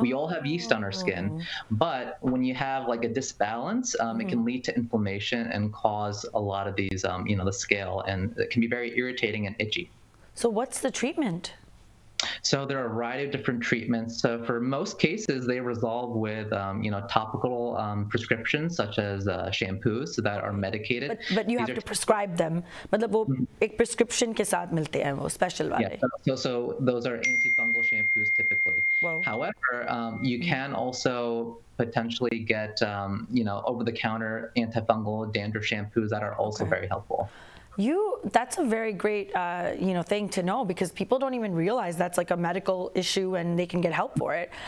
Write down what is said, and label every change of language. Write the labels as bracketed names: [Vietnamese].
[English] We all have yeast on our skin, but when you have like a disbalance, it can lead to inflammation and cause a lot of these, you know, the scale, and it can be very irritating and itchy. So what's the treatment? So there are a variety of different treatments. So for most cases, they resolve with, you know, topical prescriptions such as shampoos that are medicated. But you have to prescribe them. [Hindi] मतलब वो एक prescription के साथ मिलते हैं वो special वाले. [English] Yeah, so those are antifungal shampoos typically. Whoa. However, you can also potentially get, you know, over-the-counter antifungal dandruff shampoos that are also very helpful. That's a very great, you know, thing to know, because people don't even realize that's like a medical issue and they can get help for it.